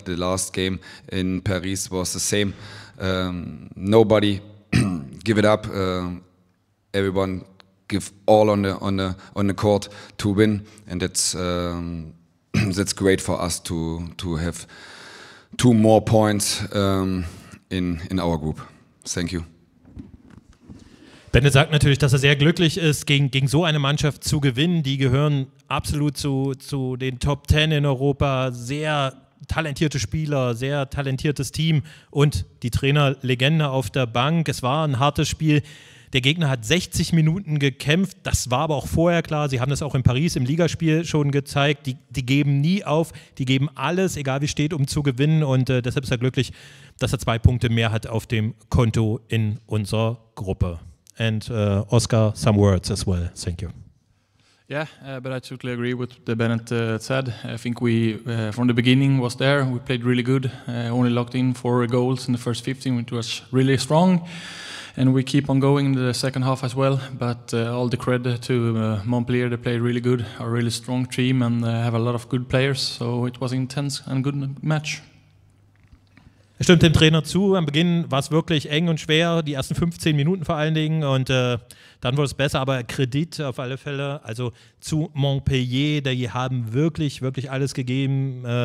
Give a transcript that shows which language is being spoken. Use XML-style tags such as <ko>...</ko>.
<en>The last game in Paris was the same. Nobody give it up. Everyone give all on the court to win, and that's. That's great for us to have two more points in our group. Thank you.</en> <de>Bennett sagt natürlich, dass er sehr glücklich ist, gegen so eine Mannschaft zu gewinnen. Die gehören absolut zu den Top 10 in Europa. Sehr talentierte Spieler, sehr talentiertes Team und die Trainerlegende auf der Bank. Es war ein hartes Spiel. Der Gegner hat 60 Minuten gekämpft, das war aber auch vorher klar. Sie haben das auch in Paris im Ligaspiel schon gezeigt. Die geben nie auf, die geben alles, egal wie steht, um zu gewinnen. Und deshalb ist er glücklich, dass er 2 Punkte mehr hat auf dem Konto in unserer Gruppe.</de> <en>And Oscar, some words as well. Thank you. Yeah, but I totally agree with what Bennett said. I think we, from the beginning, was there. We played really good. Only locked in 4 goals in the first 15, which was really strong. And we keep on going in the second half as well. But all the credit to Montpellier, they played really good, a really strong team, and have a lot of good players. So it was intense and good match.</en> <de>Ich stimme dem Trainer zu. Am Beginn war es wirklich eng und schwer, die ersten 15 Minuten vor allen Dingen. Und dann wurde es besser, aber Kredit auf alle Fälle. Also zu Montpellier, die haben wirklich, wirklich alles gegeben.</de>